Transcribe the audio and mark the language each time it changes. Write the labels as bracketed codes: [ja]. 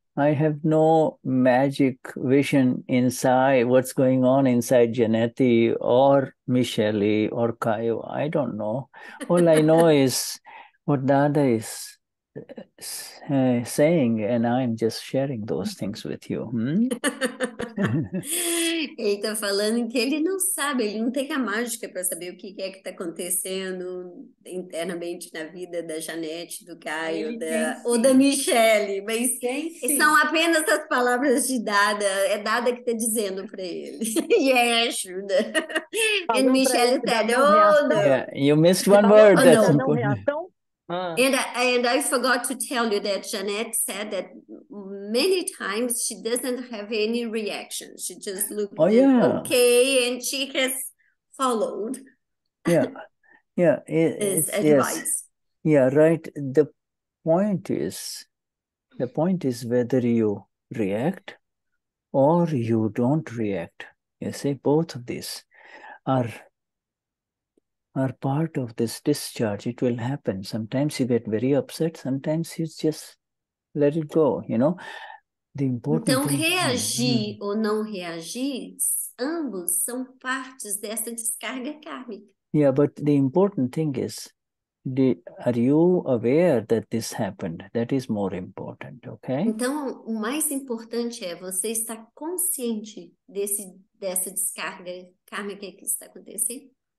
[en] I have no magic vision inside what's going on inside Janetti or Michele or Caio. I don't know. All I know is what Dada is saying, and I'm just sharing those things with you. [pt] Ele está falando que ele não sabe, ele não tem a mágica para saber o que é que está acontecendo internamente na vida da Janete, do Caio, ou da Michele, mas são apenas as palavras de Dada, é Dada que está dizendo para ele. [en] Yeah, ajuda. And Michele said, you missed one word. That's important. And I forgot to tell you that Jeanette said that many times she doesn't have any reaction. She just looked okay, and she has followed. Advice. Yes. Yeah, right. The point is whether you react or you don't react. You see, both of these are part of this discharge. It will happen. Sometimes you get very upset. Sometimes you just let it go, you know? The important thing... [pt] Então, reagir ou não reagir, ambos são partes dessa descarga kármica. [en] Yeah, but the important thing is, are you aware that this happened? That is more important, okay? [pt] Então, o mais importante é você estar consciente dessa descarga kármica que está acontecendo.